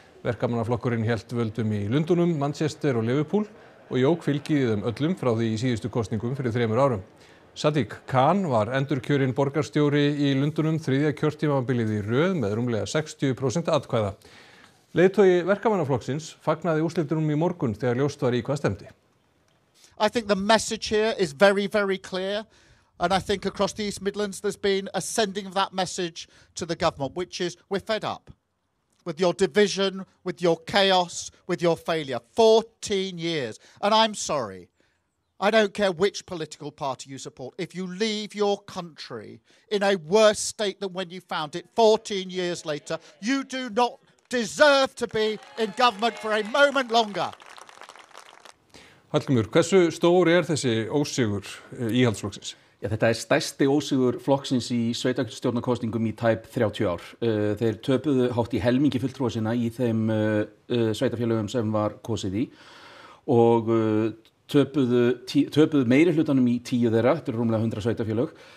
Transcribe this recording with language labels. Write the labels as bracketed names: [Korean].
[Icelandic] Verkamannaflokkurinn hélt völdum í Lundunum, Manchester og Liverpool og jók fylgið í þeim öllum frá því í síðustu kosningum fyrir 3 árum. Sadiq Khan var endurkjörinn borgarstjóri í Lundunum þriðja kjörtímabilið í röð með rúmlega 60% atkvæða. Leiðtogi verkamannaflokksins fagnaði úrslitunum í morgun þegar ljóst var í hvað stemdi. [English] I think the message here is very, very clear and I think across the East Midlands there's been a sending of that message to the government which is we're fed up with your division, with your chaos, with your failure. 14 years and I'm sorry, I don't care which political party you support. If you leave your country in a worse state than when you found it 14 years later, you do not deserve to be in government for a moment longer. [Icelandic] Hallgrímur, hversu stór þessi ósigur íhaldsflokksins? Ja, þetta stærsti ósigur flokksins í sveitarstjórnarkosningum í tæp 30 ár. Þeir töpuðu hátt í helmingi fulltrúa sinna í þeim sveitarfélögum sem var kosið í og töpuðu meiri hlutanum í 10 þeirra, þetta rúmlega 100 sveitarfélög.